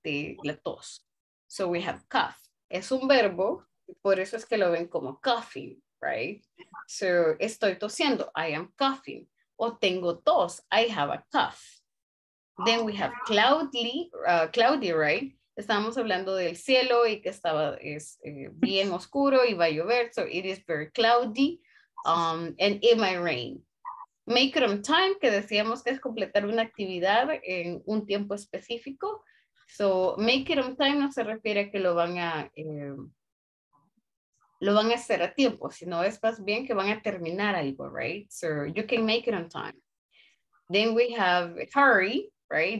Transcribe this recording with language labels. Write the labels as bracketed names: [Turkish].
[Spanish] De la tos. [English] So we have cough. [Spanish] Es un verbo, por eso es que lo ven como coughing, right? [English] So [Spanish] estoy tosiendo, [English] I am coughing. [Spanish] O tengo tos, [English] I have a cough. Then we have cloudy, right? [Spanish] Estamos hablando del cielo y que estaba bien oscuro y va a llover. [English] So it is very cloudy and it might rain. Make it on time, [Spanish] que decíamos que es completar una actividad en un tiempo específico. So, [English] make it on time [Spanish] no se refiere a que lo van a hacer a tiempo, sino es más bien que van a terminar algo, right? [English] So, you can make it on time. Then we have hurry, right?